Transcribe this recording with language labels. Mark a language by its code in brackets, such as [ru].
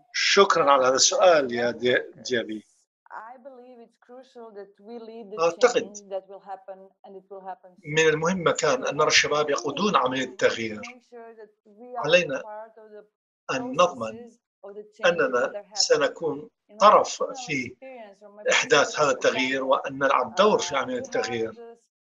[ar] شكرا على هذا السؤال يا ديابي. [en] I believe it's crucial that we lead the change that will happen and it will happen. [ar] من المهم مكان أن نرى الشباب يقودون عملية التغيير. علينا أن نضمن أننا سنكون طرف في إحداث هذا التغيير وأن نلعب دور في عملية التغيير.